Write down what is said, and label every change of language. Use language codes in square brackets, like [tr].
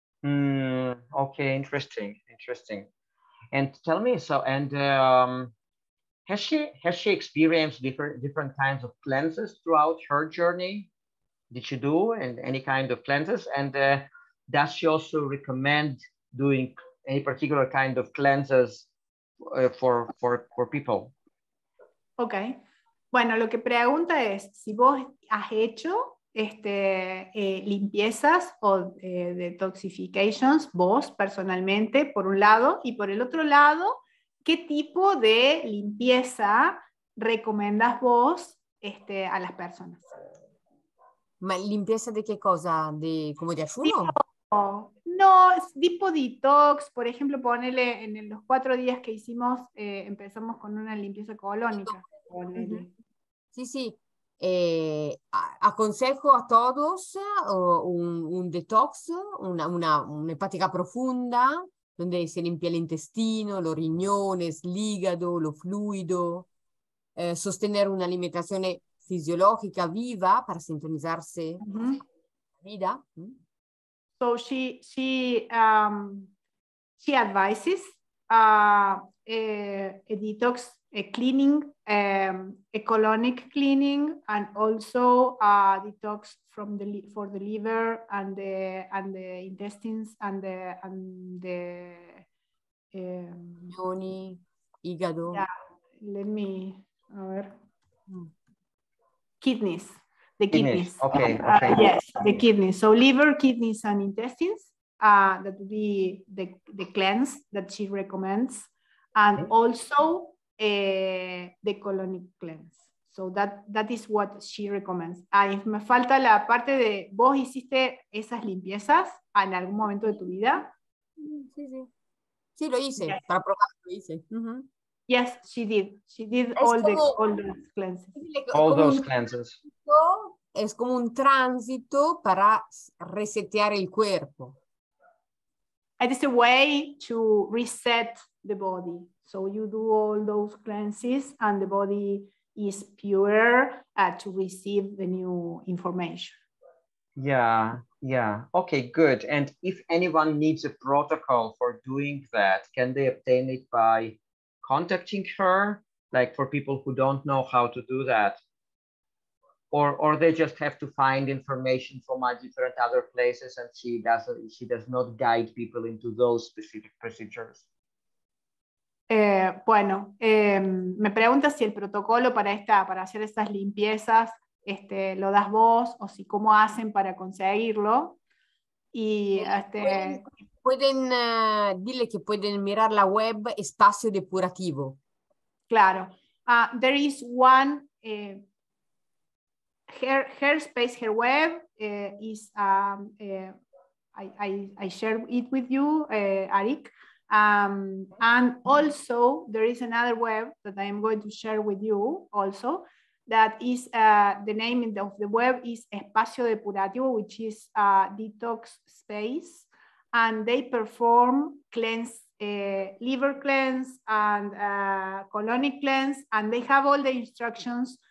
[en] Okay, interesting. And tell me, has she experienced different kinds of cleanses throughout her journey? Did she do and any kind of cleanses? And does she also recommend doing any particular kind of cleanses for people? Okay. [es] Bueno, lo que pregunta es si vos has hecho limpiezas o detoxifications vos personalmente, por un lado, y por el otro lado, ¿qué tipo de limpieza recomendas vos a las personas? ¿Limpieza de qué cosa? ¿De como de ayuno? No, es tipo detox, por ejemplo, ponele en los 4 días que hicimos, empezamos con una limpieza colónica. Sí, sí. Aconsejo a todos un detox, una hepática profunda, donde se limpia el intestino, los riñones, el hígado, lo fluido, sostener una alimentación fisiológica viva para sintonizarse la vida. [en] So she advises a detox, a cleaning, a colonic cleaning, and also a detox for the liver and the intestines and the [es] Yoni, hígado. [en] Yeah, let me [es] a ver. [en] kidneys. The kidneys. Okay. Yes, the kidneys. So liver, kidneys, and intestines. That would be the cleanse that she recommends, and also the colonic cleanse. So that is what she recommends. [es] Ah, me falta la parte de vos hiciste esas limpiezas en algún momento de tu vida. Sí, lo hice. Yes. Para probar, lo hice. [en] Uh-huh. Yes, she did. She did all those cleanses. All those cleanses. [es] Es como un tránsito para resetear el cuerpo. [en] It is a way to reset the body. So you do all those cleanses and the body is pure to receive the new information. Yeah. Okay, good. And if anyone needs a protocol for doing that, can they obtain it by contacting her? Like for people who don't know how to do that? Or they just have to find information from a different other places and she does not guide people into those specific procedures. [es] Me pregunta si el protocolo para hacer esas limpiezas lo das vos o si cómo hacen para conseguirlo. Y pueden dile que pueden mirar la web espacio depurativo. Claro. [en] There is one her space, her web is I share it with you, Arik. And also there is another web that I am going to share with you also, that is the name of the web is Espacio Depurativo, which is a detox space, and they perform liver cleanse and colonic cleanse, and they have all the instructions.